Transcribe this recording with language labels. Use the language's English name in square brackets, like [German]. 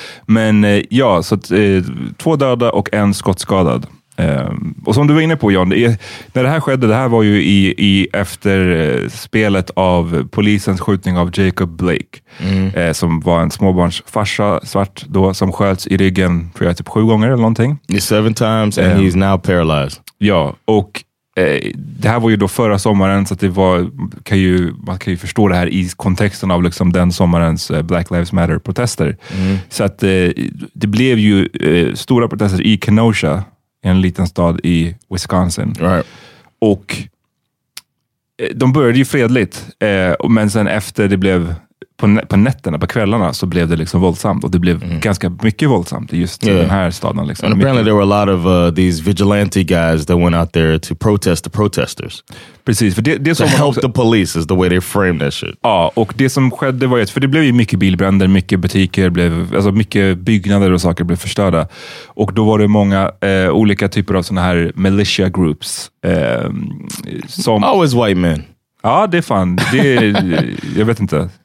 [Swedish] Men ja, så två döda och en skottskadad. Och som du var inne på, John, när det här skedde, det här var ju i efter spelet av polisens skjutning av Jacob Blake, som var en småbarnsfarsa, svart då, som sköts i ryggen, tror jag, typ 7 gånger eller någonting. [English] It's 7 times and he's now paralyzed. [Swedish] Ja, och det här var ju då förra sommaren, så att det var, man kan ju förstå det här i kontexten av liksom den sommarens Black Lives Matter-protester. Så att det blev ju stora protester i Kenosha, en liten stad i Wisconsin. [English] Right. [Swedish] Och de började ju fredligt. Men sen efter det blev på nätterna, på kvällarna, så blev det liksom våldsamt. Och det blev ganska mycket våldsamt just i den här staden. Liksom. [English] And apparently there were a lot of these vigilante guys that went out there to protest the protesters. [Swedish] Precis. För det [English] to help the police is the way they framed that shit. [Swedish] Ja, och det som skedde var ju, för det blev ju mycket bilbränder, mycket butiker, mycket byggnader och saker blev förstörda. Och då var det många olika typer av såna här [English] militia groups. [Swedish] Som [English] always white men. [Swedish] Ja, det är fan. Det är, jag vet inte.